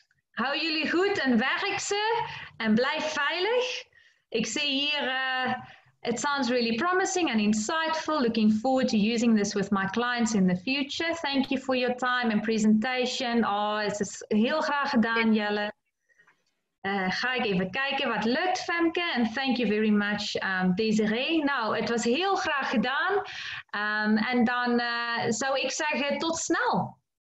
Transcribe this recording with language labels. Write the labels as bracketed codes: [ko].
[nl] Hou jullie goed en werk ze en blijf veilig. Ik zie hier, [en] it sounds really promising and insightful. Looking forward to using this with my clients in the future. Thank you for your time and presentation. [nl] Oh, het is heel graag gedaan, Jelle. Ga ik even kijken wat lukt, Femke. [en] And thank you very much, [nl] Desiree. Nou, het was heel graag gedaan. En dan zou ik zeggen tot snel.